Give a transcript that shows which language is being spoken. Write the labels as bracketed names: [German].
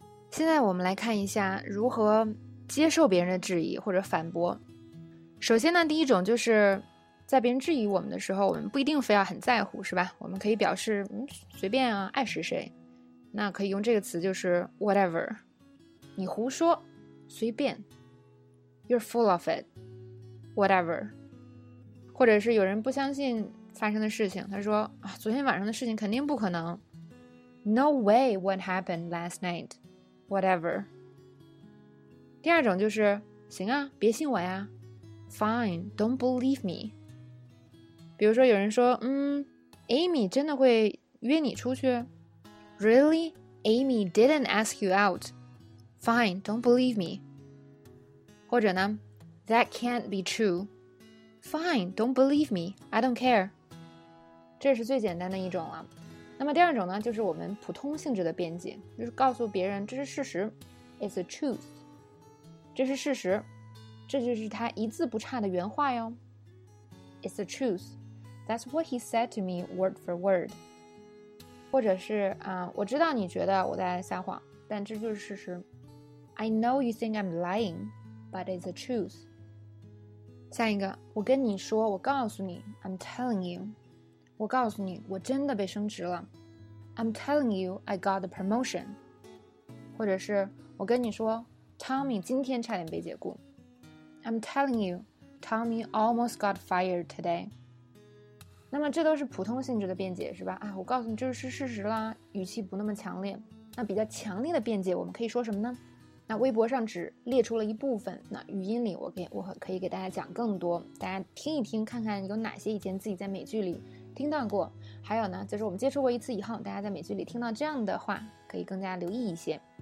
[Chinese] 现在我们来看一下如何接受别人的质疑或者反驳。首先呢，第一种就是在别人质疑我们的时候，我们不一定非要很在乎，是吧？我们可以表示随便啊，爱谁谁。那可以用这个词，就是 whatever， 你胡说，随便。 [English] You're full of it, whatever. [Chinese] 或者是有人不相信发生的事情，他说啊，昨天晚上的事情肯定不可能。 [English] No way what happened last night, whatever. [Chinese] 第二种就是，行啊，别信我呀。 [English] Fine, don't believe me. [Chinese] 比如说有人说，Amy 真的会约你出去？ [English] Really? Amy didn't ask you out. Fine, don't believe me. 或者呢 That can't be true. Fine, don't believe me. I don't care. 这是最简单的一种了。 [Chinese] 那么第二种呢，就是我们普通性质的辩解，就是告诉别人这是事实。 [English] It's a truth. [Chinese] 这是事实，这就是他一字不差的原话哟。 [English] It's a truth. That's what he said to me word for word. [Chinese] 或者是我知道你觉得我在撒谎，但这就是事实。 [English] I know you think I'm lying. But it's the truth. [Chinese] 下一个，我跟你说，我告诉你 I'm telling you. 我告诉你，我真的被升职了。 [English] I'm telling you, I got the promotion. [Chinese] 或者是，我跟你说， Tommy 今天差点被解雇。 [English] I'm telling you, Tommy almost got fired today. [Chinese] 那么这都是普通性质的辩解，是吧？我告诉你，这是事实啦，语气不那么强烈。那比较强烈的辩解，我们可以说什么呢？那微博上只列出了一部分，那语音里我可以给大家讲更多，大家听一听，看看有哪些以前自己在美剧里听到过，还有呢，就是我们接触过一次以后，大家在美剧里听到这样的话，可以更加留意一些。